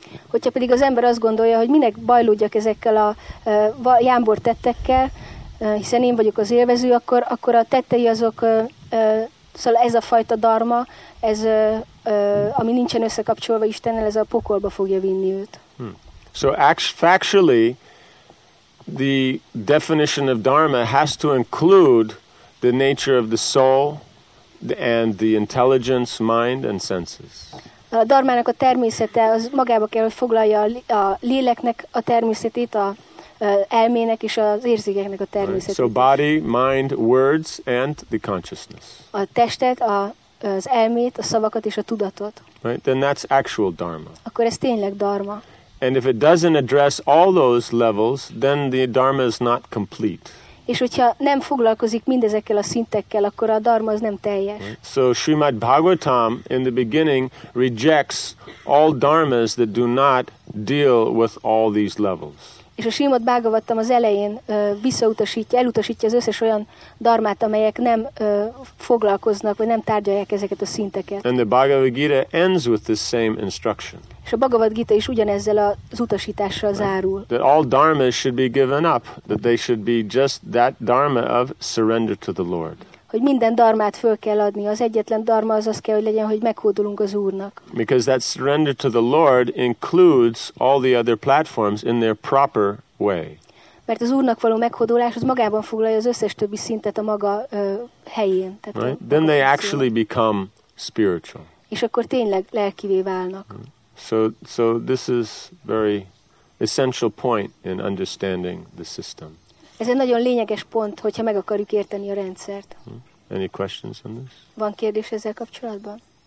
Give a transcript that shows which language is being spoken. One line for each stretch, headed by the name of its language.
Hungarian: Hogyha pedig az ember azt gondolja, hogy minek bajlódjak ezekkel a jámbor tettekkel, hiszen én vagyok az élvező, akkor a tettei azok, szóval ez a fajta dharma, ez, ami nincsen összekapcsolva Istennel, ez a pokolba fogja vinni őt.
English: So factually, the definition of dharma has to include the nature of the soul and the intelligence, mind and senses.
Hungarian: A dharmának a természete az magába kell, hogy foglalja a léleknek a természetét, a elmének és az érzékeknek a természetét.
English: Right. So body, mind, words and the consciousness.
Hungarian: A testet, az elmét, a szavakat és a tudatot.
English: Right. Then that's actual dharma.
Hungarian: Akkor ez tényleg dharma.
English: And if it doesn't address all those levels, then the dharma is not complete.
Hungarian: És hogyha nem foglalkozik mindezekkel a szintekkel, akkor a dharma az nem teljes.
English: Right. So Srimad Bhagavatam in the beginning rejects all dharmas that do not deal with all these levels.
Hungarian: És a Srimad Bhagavatam az elején elutasítja az összes olyan dharmát, amelyek nem foglalkoznak, vagy nem tárgyalják ezeket a szinteket.
English: And the Bhagavad Gita ends with the same instruction.
Hungarian: És a Bhagavad Gita is ugyanezzel az utasítással
English: right.
Hungarian: zárul.
English: That all dharmas should be given up, that they should be just that dharma of surrender to the Lord.
Hungarian: Hogy minden dharmát föl kell adni. Az egyetlen dharma az kell, hogy legyen, hogy meghódolunk az Úrnak.
English: Because that surrender to the Lord includes all the other platforms in their proper way.
Hungarian: Mert az Úrnak való meghódolás az magában foglalja az összes többi szintet a maga helyén. Tehát
English: right? Then they actually become spiritual.
Hungarian: és akkor tényleg lelkivé válnak.
English: So this is very essential point in understanding the system.
Hungarian: Ez egy nagyon lényeges pont, hogyha meg akarjuk érteni a rendszert.
English: Any questions on this?
Hungarian: Van kérdés ezzel kapcsolatban?